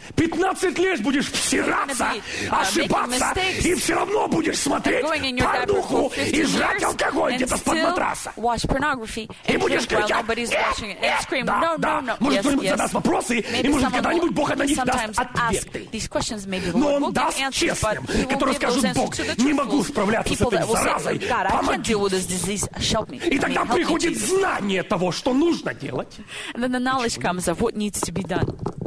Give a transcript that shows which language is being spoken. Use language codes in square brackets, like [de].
[ru] 15 лет будешь всираться, ошибаться, и все равно будешь смотреть порнуху и жрать алкоголь где-то под матраса. И будешь кричать, нет, может кто-нибудь задаст вопросы, и может когда-нибудь Бог на них даст ответы. Но он даст честным, которые скажут, Бог, не могу справляться с этой [en] will say, God, I can't deal with this disease. Help me. [ru] И тогда приходит знание того, что нужно делать. [en] And then the knowledge comes of what needs to be done.